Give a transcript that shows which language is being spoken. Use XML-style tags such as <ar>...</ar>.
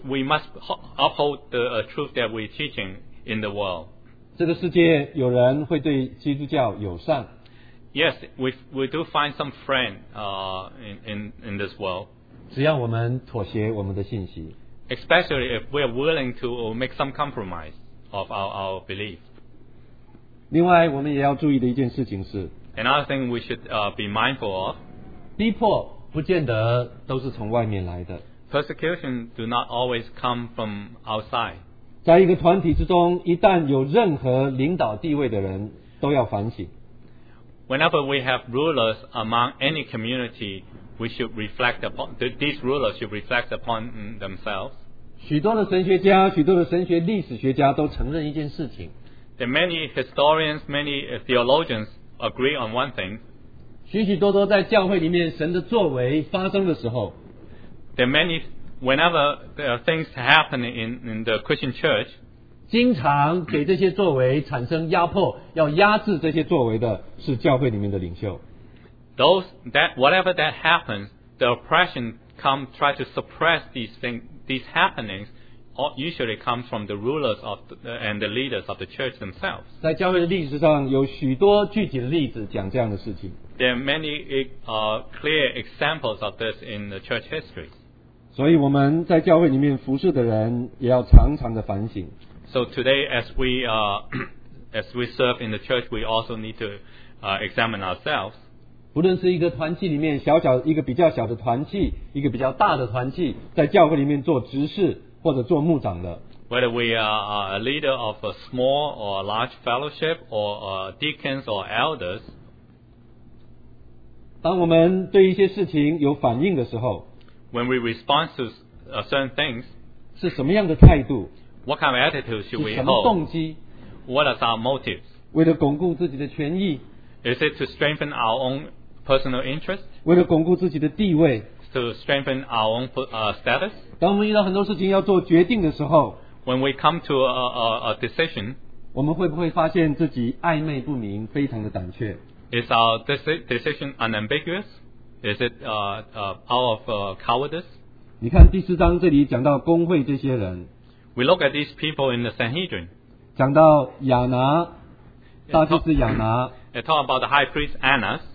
<en>We must uphold the truth that we're teaching in the world.</en> <zh>这个世界有人会对基督教友善。</zh> <en>Yes, we do find some friend in this world.</en> <zh>只要我们妥协我们的信息</zh> <en>especially if we are willing to make some compromise of our belief</en> <zh>另外我们也要注意的一件事情是</zh> <en>another thing we should be mindful of</en> <zh>逼迫不见得都是从外面来的</zh> <en>persecution do not always come from outside</en> <zh>在一个团体之中一旦有任何领导地位的人都要反省</zh> <en>whenever we have rulers among any communityWe should reflect upon these rulers should reflect upon themselves.</en> <zh>许多的神学家，许多的神学历史学家都承认一件事情。</zh> <en>The many historians, many theologians agree on one thing.</en> <zh>许许多多在教会里面神的作为发生的时候。</zh> <en>The many whenever there are things happening in the Christian church,</en> <zh>经常给这些作为产生压迫，要压制这些作为的是教会里面的领袖。</zh> <en>Whatever that happens, the oppression try to suppress these happenings, usually comes from the rulers and the leaders of the church themselves.</en> <zh>在教会的历史上有许多具体的例子讲这样的事情。</zh> <en>There are many clear examples of this in the church history.</en> <zh>所以我们在教会里面服事的人也要常常的反省。</zh> <en>So today, as we serve in the church, we also need to examine ourselves.</en> <zh>不论是一个团契里面小小一个比较小的团契，一个比较大的团契，在教会里面做执事或者做牧长的。</zh> <en>Whether we are a leader of a small or large fellowship, or deacons or elders,</en> <zh>当我们对一些事情有反应的时候</zh> <en>，when we respond to certain things，</en> <zh>是什么样的态度</zh> <en>？What kind of attitude should we hold？</en> <zh>是什么动机</zh> <en>？What are our motives？</en> <zh>为了巩固自己的权益</zh> <en>？Is it to strengthen our own personal interest？</en> <zh>为了巩固自己的地位</zh> <en>？To strengthen our own status？</en> <zh>当我们遇到很多事情要做决定的时候</zh> <en>，when we come to a decision，</en> <zh>我们会不会发现自己暧昧不明，非常的胆怯？</zh> <en>Is our decision unambiguous? Is it out of cowardice?</en> <zh>你看第四章这里讲到公会这些人。</zh> <en>We look at these people in the Sanhedrin.</en> <zh>讲到亚拿，大祭司亚拿。</zh> <en>It talk about the high priest Annas.</en>